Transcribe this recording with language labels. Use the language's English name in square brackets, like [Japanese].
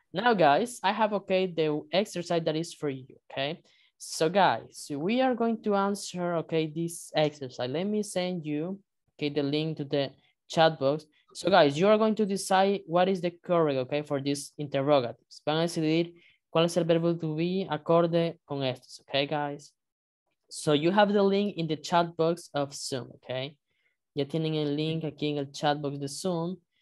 [English] Now, guys, I have, okay, the exercise that is for you, okay? So, guys, we are going to answer, okay, this exercise. Let me send you, okay, the link to the chat box. So, guys, you are going to decide what is the correct, okay, for these interrogatives. [Spanish] Van a decidir cuál es el verbo to be acorde con estos, okay, guys? [English] So you have the link in the chat box of Zoom, okay? [Spanish] Ya tienen el link aquí en el chat box de Zoom.